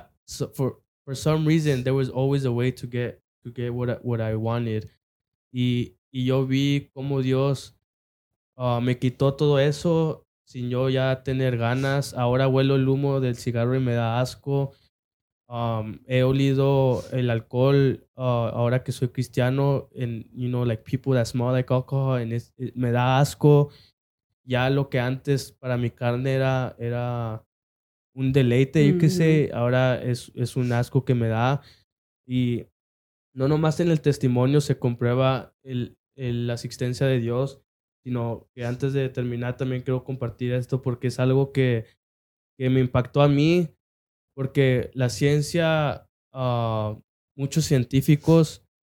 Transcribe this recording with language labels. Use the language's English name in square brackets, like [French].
[English] So for some reason, there was always a way to get what I wanted. [Spanish] Y yo vi cómo Dios me quitó todo eso sin yo ya tener ganas. Ahora huelo el humo del cigarro y me da asco. He olido el alcohol ahora que soy cristiano. [English] And, you know, like people that smell like alcohol, and it [Spanish] me da asco. Ya lo que antes para mi carne era un deleite, yo qué sé, ahora es un asco que me da. Y no nomás en el testimonio se comprueba la existencia de Dios, sino que antes de terminar también quiero compartir esto porque es algo que me impactó a mí, porque la ciencia, muchos científicos